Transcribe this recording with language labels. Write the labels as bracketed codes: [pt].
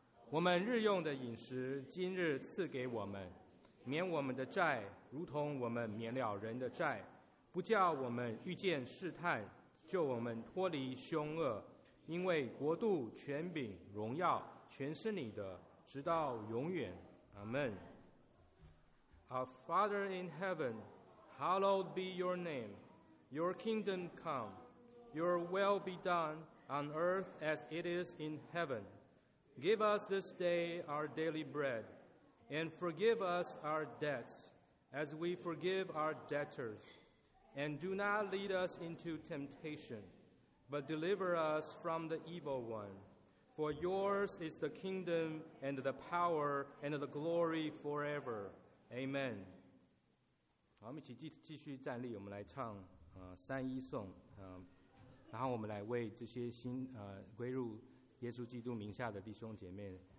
[zh] 我们日用的饮食，今日赐给我们。免我们的债，如同我们免了人的债，不叫我们遇见试探，救我们脱离凶恶。因为国度、权柄、荣耀，全是你的，直到永远。阿门。 [en] Our Father in heaven, hallowed be your name. Your kingdom come. Your will be done on earth as it is in heaven. Give us this day our daily bread. And forgive us our debts, as we forgive our debtors. And do not lead us into temptation, but deliver us from the evil one. For yours is the kingdom and the power and the glory forever. Amen. [zh] 好，我们一起继续站立，我们来唱三一颂，然后我们来为这些新归入耶稣基督名下的弟兄姐妹。